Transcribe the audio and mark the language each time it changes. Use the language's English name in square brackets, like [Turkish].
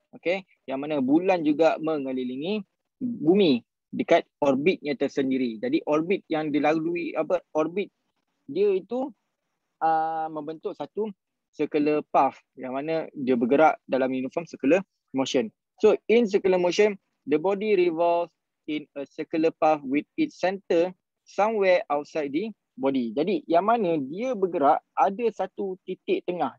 [Malay] Okay, yang mana bulan juga mengelilingi bumi dekat orbitnya tersendiri. Jadi orbit yang dilalui, apa orbit dia itu membentuk satu circular path yang mana dia bergerak dalam uniform circular motion. [English] So in circular motion, the body revolves in a circular path with its center somewhere outside the body. [Malay] Jadi yang mana dia bergerak, ada satu titik tengah.